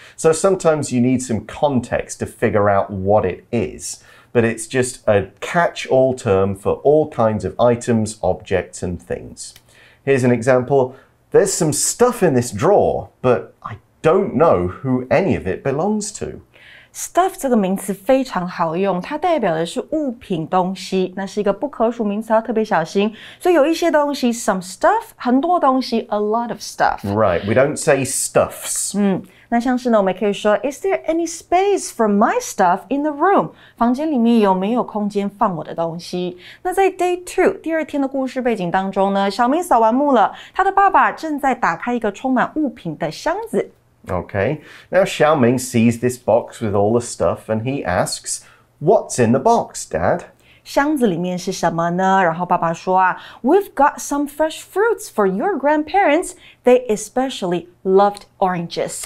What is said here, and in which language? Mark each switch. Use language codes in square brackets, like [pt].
[en] So sometimes you need some context to figure out what it is. But it's just a catch-all term for all kinds of items, objects, and things. Here's an example. There's some stuff in this drawer, but I don't know who any of it belongs to. [zh] Stuff 这个名词非常好用，它代表的是物品、东西，那是一个不可数名词，要特别小心。所以有一些东西 ， [en] some stuff， [zh] 很多东西 ， [en] a lot of stuff。 Right, we don't say stuffs. [zh] 嗯，那像是呢，我们可以说 [en] Is there any space for my stuff in the room? [zh] 房间里面有没有空间放我的东西？那在 Day 2, 第二天的故事背景当中呢，小明扫完墓了，他的爸爸正在打开一个充满物品的箱子。 [en] Okay, now Xiaoming sees this box with all the stuff and he asks, What's in the box, Dad? [zh] 箱子里面是什么呢？然后爸爸说啊 [en] We've got some fresh fruits for your grandparents. They especially loved oranges.